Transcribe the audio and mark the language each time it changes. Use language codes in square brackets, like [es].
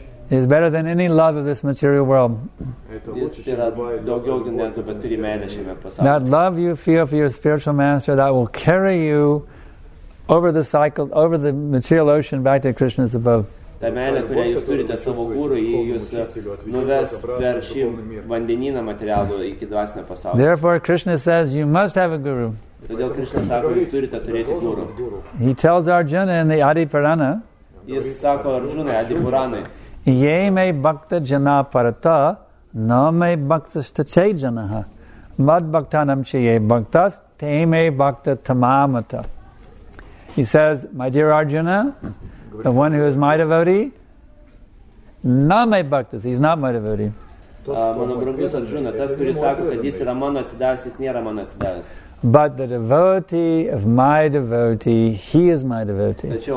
[en] Is better than any love of this material world. That love you feel for your spiritual master, that will carry you over the cycle, over the material ocean, back to Krishna's abode. [lt] ta meilė, kurią jūs turite savo gūrų, jį jūs nuves per šį vandenyną materialų iki dvasinio pasaulio. [en] Therefore, Krishna says, you must have a guru. [lt] Todėl Krishna sako, jūs turite turėti gūrų. [en] He tells Arjuna in the Adi Purana, [lt] jis sako Arjuna Adi Puranai, [sa] yei mei bhakta jana parata, na mei bhakta stache janaha. Mad bhaktanam chiye bhaktas, te mei bhakta tamamata. [en] He says, my dear Arjuna, the one who is my devotee, na mei bhaktas, he's not my devotee. [lt] Mano brangus Arjuna, tas, kuris sako, kad jis yra mano atsidavęs, jis nėra mano atsidavęs. [en] But the devotee of my devotee, he is my devotee.